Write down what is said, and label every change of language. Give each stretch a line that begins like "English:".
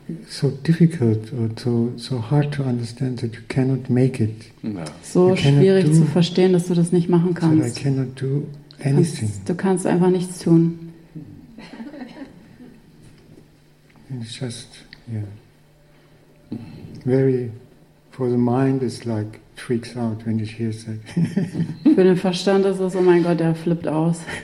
English: So difficult or so hard to understand that you cannot make it. No.
German: So schwierig zu verstehen, dass du das nicht machen kannst.
English: That I cannot do anything.
German: Du kannst einfach nichts tun.
English: It's just, yeah. Very, for the mind it's like freaks out when it hears that.
German: Für den Verstand ist es, oh mein Gott, er flippt aus.